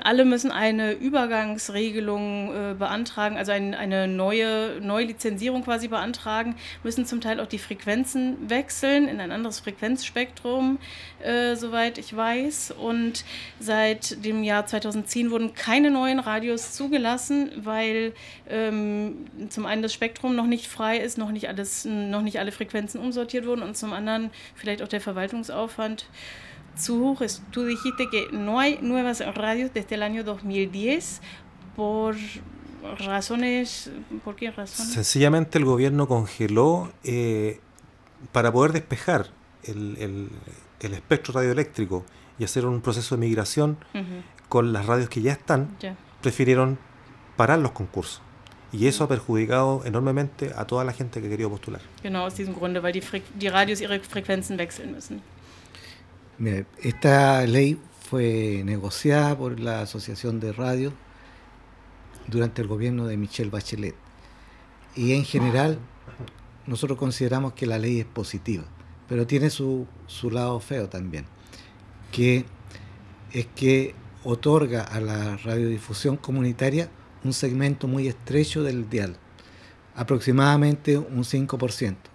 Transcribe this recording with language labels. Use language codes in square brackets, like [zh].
[de] Alle müssen eine Übergangsregelung beantragen, also eine neue Lizenzierung quasi beantragen, müssen zum Teil auch die Frequenzen wechseln in ein anderes Frequenzspektrum, soweit ich weiß. Und seit dem Jahr 2010 wurden keine neuen Radios zugelassen, weil zum einen das Spektrum noch nicht frei ist, noch nicht alle Frequenzen umsortiert wurden und zum anderen vielleicht auch der Verwaltungsaufwand zu hoch ist. [es] Tú dijiste que no hay nuevas radios desde el año 2010 por qué razones? Sencillamente el gobierno congeló para poder despejar el espectro radioeléctrico y hacer un proceso de migración. Uh-huh. Con las radios que ya están, yeah. Prefirieron parar los concursos Y eso ha perjudicado enormemente a toda la gente que quería postular. [de] Genau, aus diesem Grunde, weil die Radios ihre Frequenzen wechseln müssen. [es] Esta ley fue negociada por la Asociación de Radio durante el gobierno de Michelle Bachelet. Y en general, nosotros consideramos que la ley es positiva, pero tiene su lado feo también, que es que otorga a la radiodifusión comunitaria un segmento muy estrecho del dial, aproximadamente un 5%.